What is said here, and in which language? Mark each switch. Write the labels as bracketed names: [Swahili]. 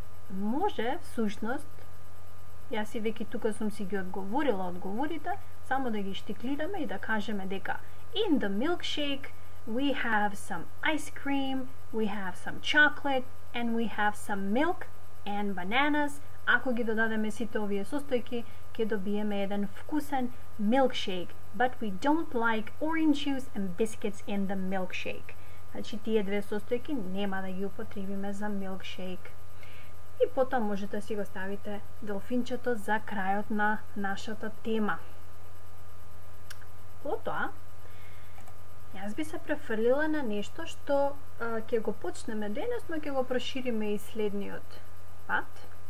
[Macedonian] Може, всушност, јас и веќе тука сум си ги одговорила одговорите, само да ги штиклираме и да кажеме дека [English] in the milkshake we have some ice cream, we have some chocolate and we have some milk and bananas. [Macedonian] Ако ги додадеме сите овие состојки, ќе добиеме еден вкусен milkshake. [English] But we don't like orange juice and biscuits in the milkshake. [Macedonian] Значи, тие две состојки нема да ги употребиме за milkshake. И потом можете си го ставите делфинчето за крајот на нашата тема. Потоа, јас би се префрлила на нешто што ќе го почнеме денес, но ќе го прошириме и следниот пат.